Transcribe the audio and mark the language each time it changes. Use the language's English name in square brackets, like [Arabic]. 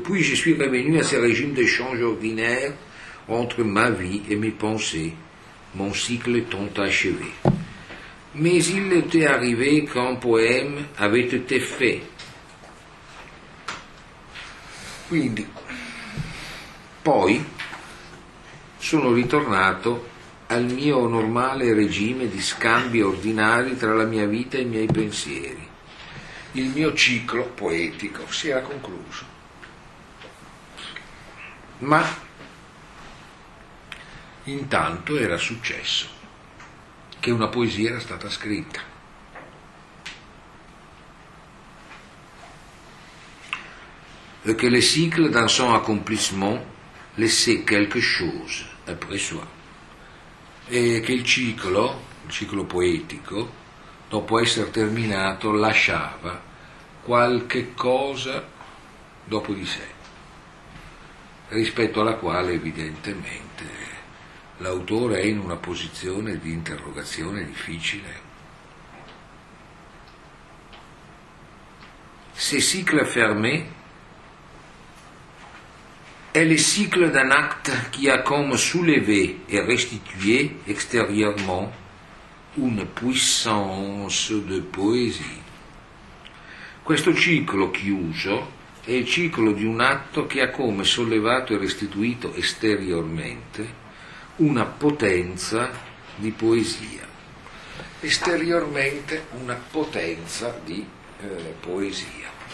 [French] Puis je suis revenu à ce régime d'échange ordinaire entre ma vie et mes pensées, mon cycle étant achevé. Mais il était arrivé qu'un poème avait été fait. [Italian] Quindi, poi, sono ritornato al mio normale regime di scambi ordinari tra la mia vita e i miei pensieri. Il mio ciclo poetico si era concluso. Ma, intanto, era successo che una poesia era stata scritta. [French] Et que le cycle, dans son accomplissement, laissait quelque chose après soi. [Italian] E che il ciclo poetico, dopo essere terminato, lasciava qualche cosa dopo di sé, rispetto alla quale evidentemente l'autore è in una posizione di interrogazione difficile. [French] Ce cycle fermé, est le cycle d'un acte qui a comme soulevé et restitué extérieurement une puissance de poésie. [Italian] Questo ciclo chiuso è il ciclo di un atto che ha come sollevato e restituito esteriormente una potenza di poesia. Esteriormente una potenza di poesia.